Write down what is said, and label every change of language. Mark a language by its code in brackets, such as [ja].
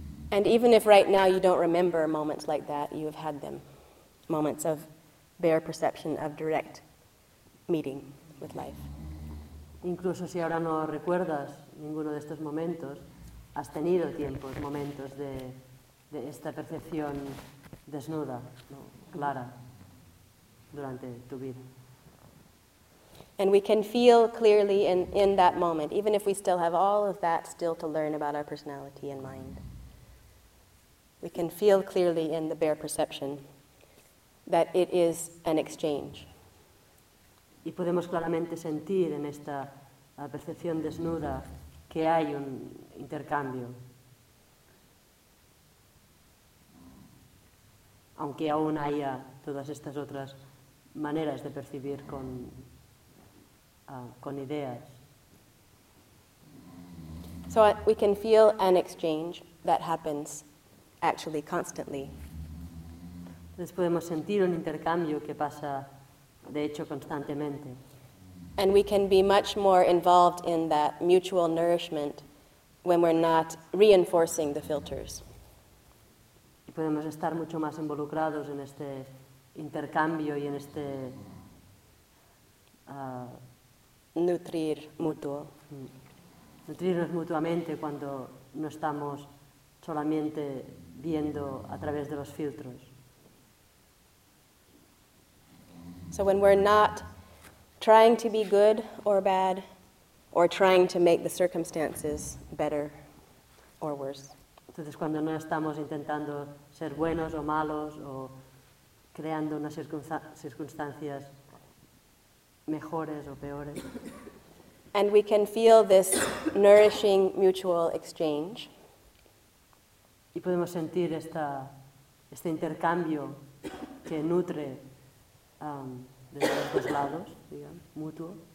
[en] And even if right now you don't remember moments like that, you have had them. Moments of bare perception, of direct meeting with life. [es] Incluso si ahora no recuerdas ninguno de estos momentos, has tenido tiempos, momentos de esta percepción desnuda, ¿no? Clara, durante tu vida. [en] And we can feel clearly in that moment, even if we still have all of that still to learn about our personality and mind. We can feel clearly in the bare perception that it is an exchange. [es] Y podemos claramente sentir en esta percepción desnuda que hay un intercambio. Aunque aún haya todas estas otras maneras de percibir con ideas. [en] So we can feel an exchange that happens actually constantly. [es] Entonces podemos sentir un intercambio que pasa de hecho constantemente. [en] And we can be much more involved in that mutual nourishment when we're not reinforcing the filters. [es] Y podemos estar mucho más involucrados en este intercambio y en este nutrir mutuo. Nutrirnos mutuamente cuando no estamos solamente viendo a través de los filtros. [en] So when we're not trying to be good or bad, or trying to make the circumstances better or worse. [es] Entonces, cuando no estamos intentando ser buenos o malos o creando unas circunstancias mejores o peores. [en] And we can feel this nourishing mutual exchange. [es] Y podemos sentir este intercambio que nutre de los dos lados, digamos, mutuo.